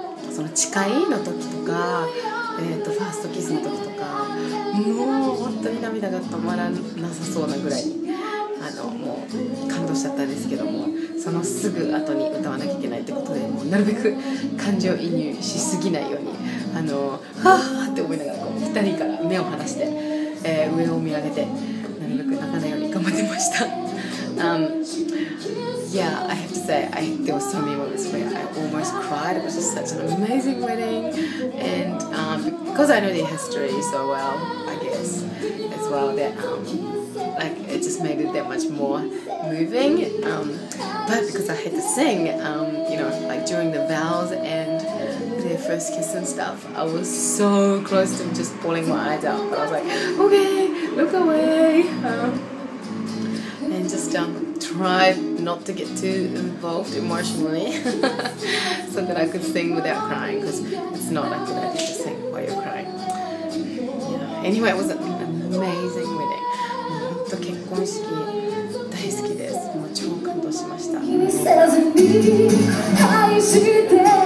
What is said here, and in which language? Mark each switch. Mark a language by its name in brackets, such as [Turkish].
[Japanese] その誓いの時とか、ファーストキスの時とか、もう本当に涙が止まらなさそうなぐらい、あのもう感動しちゃったんですけども、そのすぐ後に歌わなきゃいけないってことで、もうなるべく感情移入しすぎないように、あのはぁって思いながらこう2人から目を離して、上を見上げて、なるべく泣かないように頑張ってました。 [English] Yeah, I have to say, there were so many moments where I almost cried. It was just such an amazing wedding. And because I know the history so well, I guess, as well, that it just made it that much more moving. But because I had to sing, during the vows and their first kiss and stuff, I was so close to just pulling my eyes out. But I was like, okay, look away. Try not to get too involved emotionally so that I could sing without crying because it's not a good idea to sing while you're crying. Yeah. Anyway, it was an amazing wedding. [Japanese] もう本当結婚式大好きです。もう超感動しました。